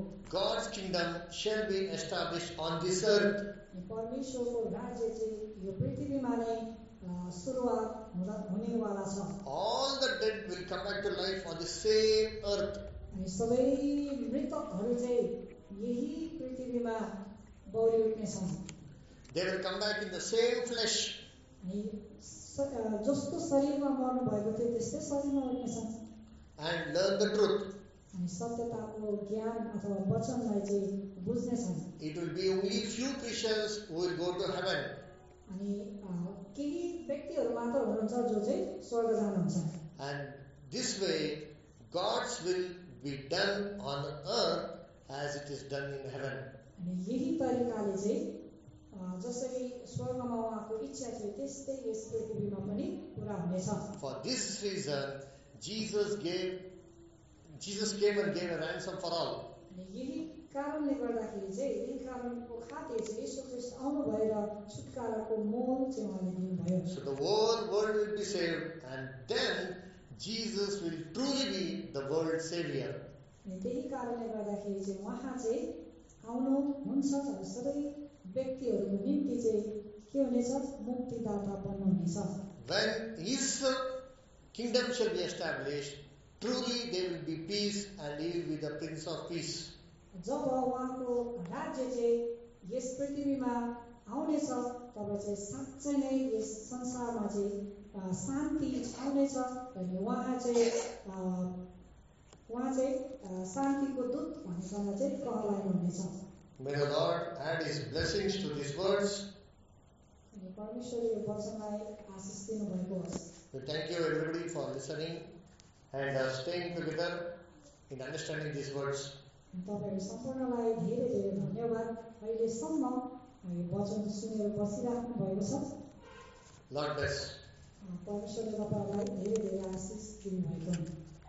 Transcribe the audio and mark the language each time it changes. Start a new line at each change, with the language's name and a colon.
English: God's kingdom shall be established on this earth.
Nepali: परमेश्वरको राज्य चाहिँ यो पृथ्वीमा नै सुरुवात हुनेवाला छ.
English: All the dead will come back to life on the same earth.
Nepali: अनि सबै मृतकहरू चाहिँ यही पृथ्वीमा बौरी उठ्नेछन्.
English: They will come back in the same flesh.
Nepali: अनि जस्तो शरीरमा मर्नु भएको थियो त्यस्तै शरीरमा उठ्नेछन्.
English: And learn the truth.
Nepali: अनि सत्यताको ज्ञान अथवा वचनलाई चाहिँ बुझ्नेछन्.
English: It will be only few Christians who will go to heaven.
Nepali: अनि केही व्यक्तिहरू मात्र हुनुहुन्छ जो चाहिँ स्वर्ग जानुहुन्छ.
English: And this way God's will be done on earth as it is done in heaven.
Nepali: अनि यही तरिकाले चाहिँ जसरी स्वर्गमा उहाँको इच्छा थियो त्यस्तै यस पृथ्वीमा पनि पूरा हुनेछ.
English: For this reason Jesus came and gave a ransom for all.
Nepali: यही कारणले गर्दाखेरि चाहिँ यही कारणको खातिर चाहिँ येशू ख्रीष्ट आउनु भएर छुटकाराको मोल चाहिँ उहाँले दिनुभयो.
English: So the whole world will be saved and then Jesus will truly be the world's savior.
Nepali: यही कारणले गर्दाखेरि चाहिँ उहाँ चाहिँ आउनु हुन्छ र सबै व्यक्तिहरूको निम्ति चाहिँ के हुनेछ मुक्तिदाता बन्नुहुनेछ.
English: When his kingdom shall be established, truly there will be peace and he will be the Prince of Peace.
Nepali: जब उहाँको राज्य चाहिँ यस पृथ्वीमा आउनेछ तब चाहिँ साँच्चै नै यस संसारमा चाहिँ शान्ति छाउनेछ. उहाँ चाहिँ शान्तिको दूत भनेर चाहिँ कहलाइनुहुनेछ.
English: May the Lord add his blessings to these words.
Nepali: परमेश्वरले यो वचनलाई आशिष दिनुभएको होस्.
English: So thank you everybody for listening and staying together in understanding these words.
Nepali: तपाईँहरू सम्पूर्णलाई धेरै धेरै धन्यवाद. अहिलेसम्म वचन सुनेर बसिराख्नु भएको छ.
English: Lord bless.
Nepali: परमेश्वरले तपाईँहरूलाई धेरै धेरै आशिष दिनुभएको.